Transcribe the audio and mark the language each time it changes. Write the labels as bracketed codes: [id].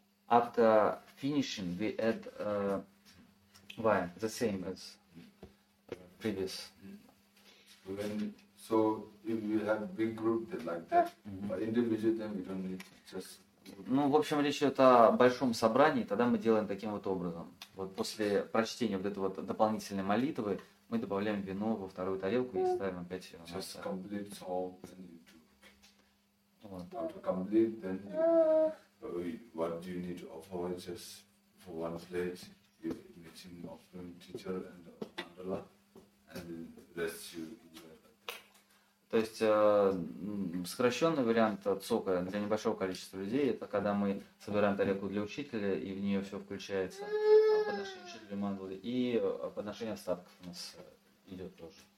[en] After finishing, we add wine, the same as previous. So if you have big group like that, but individual, then we don't need just... [ru] Ну, в общем, речь идет о большом собрании, тогда мы делаем таким вот образом. Вот после прочтения вот этой вот дополнительной молитвы мы добавляем вино во вторую тарелку и ставим опять вино. [en] Just complete all, then you do. [ru] Вот. [en] After complete, then you, what do you need to offer just for one plate, you're meeting offering teacher and mandala, and then rest you enjoy. [ru] То есть сокращенный вариант цока для небольшого количества людей, это когда мы собираем тарелку для учителя, и в нее все включается, подношение учителя мандалы, и подношение остатков у нас идет тоже.